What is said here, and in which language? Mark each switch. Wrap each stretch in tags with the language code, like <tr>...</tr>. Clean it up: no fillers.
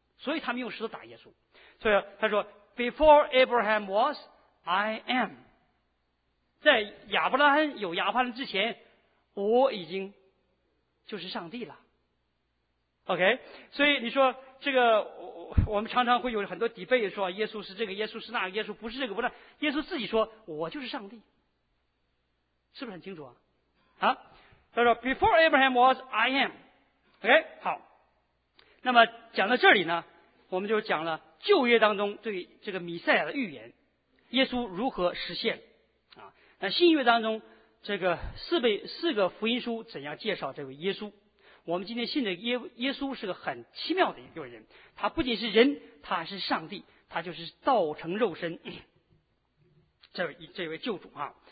<zh>所以他们用石头打耶稣，所以他说</zh> <en>Before Abraham was I am，</en> <zh>在亚伯拉罕有亚伯拉罕之前，我已经就是上帝了。 OK， 所以你说这个我们常常会有很多抵背，说耶稣是这个，耶稣是那个，耶稣不是这个，不是耶稣自己说我就是上帝，是不是很清楚啊？</zh> <en>啊，</en> <zh>他说</zh> <en>Before Abraham was I am。</en> <zh>OK， 好，那么讲到这里呢，我们就讲了旧约当中对这个弥赛亚的预言，耶稣如何实现啊？那新约当中这个四个福音书怎样介绍这位耶稣？我们今天信的耶稣是个很奇妙的一个人，他不仅是人，他是上帝，他就是道成肉身，这位救主啊。</zh>